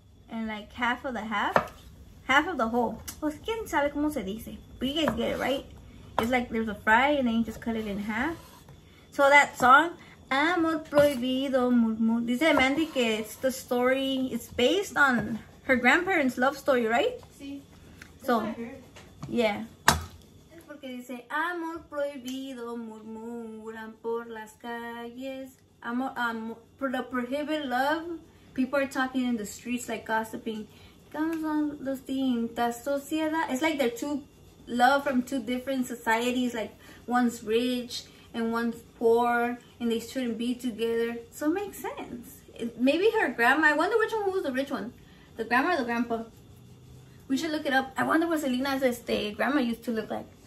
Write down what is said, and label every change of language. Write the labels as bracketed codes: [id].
[en] And like half of the half. Half of the whole. [es] Pues quién sabe cómo se dice. [en] But you guys get it, right? It's like there's a fry and then you just cut it in half. So that song, Amor Prohibido, murmur. [es] Dice Mandy que [en] it's the story, it's based on her grandparents' love story, right? [es] Sí. [en] So, yeah. [es] Que dice amor prohibido murmuran por las calles [en] amor prohibited love people are talking in the streets like gossiping it's like they're two love from two different societies like one's rich and one's poor and they shouldn't be together so it makes sense maybe her grandma I wonder which one was the rich one the grandma or the grandpa we should look it up I wonder what Selena's grandma used to look like.